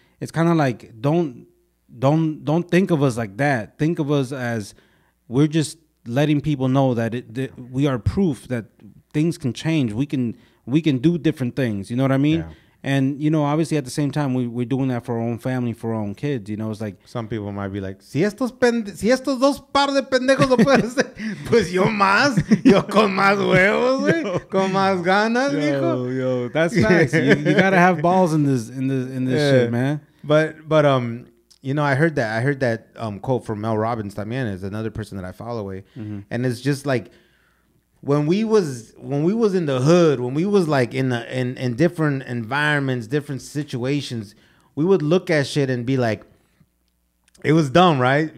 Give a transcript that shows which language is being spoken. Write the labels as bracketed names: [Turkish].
[English] It's kind of like don't think of us like that. Think of us as we're just letting people know that we are proof that things can change. We can do different things. You know what I mean? Yeah. And you know, obviously, at the same time, we're doing that for our own family, for our own kids. You know, it's like some people might be like, [Spanish] si estos dos par de pendejos lo pueden hacer, pues yo más, yo con más huevos, con más ganas, mijo. [English] Yo, that's nice. You gotta have balls in this shit, man. But you know, I heard that quote from Mel Robbins. [Spanish] También [English] is another person that I follow, and it's just like when we was in the hood, when we was like in different environments, different situations, we would look at shit and be like, it was dumb, right?